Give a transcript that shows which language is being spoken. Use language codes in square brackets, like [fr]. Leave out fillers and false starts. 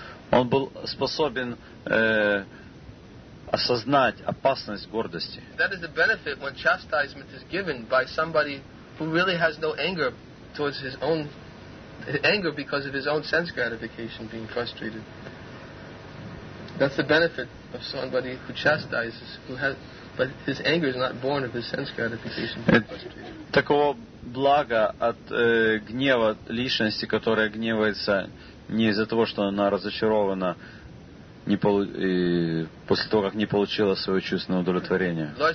[ru] Он был способен осознать опасность гордости. [en] That is the benefit when chastisement is given by somebody who really has no anger towards his own anger because of his own sense gratification being frustrated. That's the benefit of somebody who chastises, who has, but his anger is not born of his sense gratification being frustrated. [ru] Такого блага от гнева личности, которая гневается не из-за того, что она разочарована. После того, как не получила свое чувственное удовлетворение.